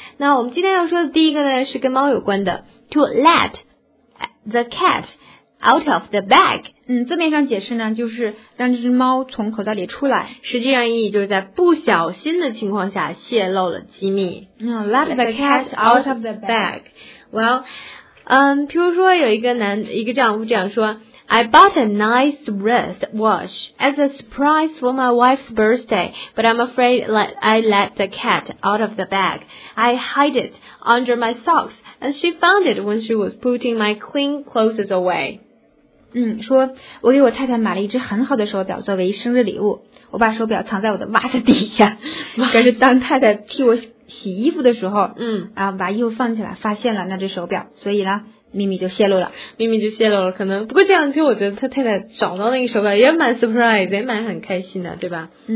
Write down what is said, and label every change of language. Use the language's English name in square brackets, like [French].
[Chinese] 那我们今天要说的第一个呢是跟猫有关的 , [English] to let the cat out of the bag。 [Chinese] 字面上解释呢就是让这只猫从口袋里出来。实际上意义就是在不小心的情况下泄露了机密。 [English] Let the cat out of the bag。 Well, [Chinese] 譬如说有一个丈夫这样说 [English] I bought a nice wristwatch as a surprise for my wife's birthday, but I'm afraid I let the cat out of the bag. I hide it under my socks, and she found it when she was putting my clean clothes away. [Chinese] 说我给我太太买了一只很好的手表作为生日礼物，我把手表藏在我的袜子底下，可是当太太替我洗衣服的时候，把衣服放起来，发现了那只手表，所以呢，秘密就泄露了。可能不过这样，其实我觉得他太太找到那个手表也蛮 surprise， 也蛮很开心的，对吧？